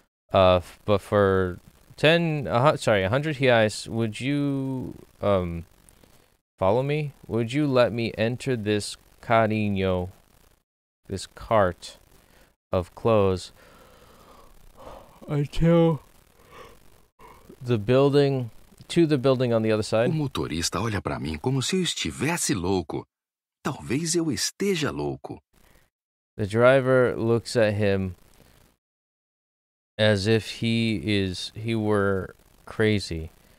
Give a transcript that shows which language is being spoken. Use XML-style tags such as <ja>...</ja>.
<en>But for 100 reais, would you follow me? Would you let me enter this carinho, this cart of clothes, to the building on the other side?</en> <pt>O motorista olha para mim como se eu estivesse louco. Talvez eu esteja louco.</pt> <en>The driver looks at him as if he were crazy.</en>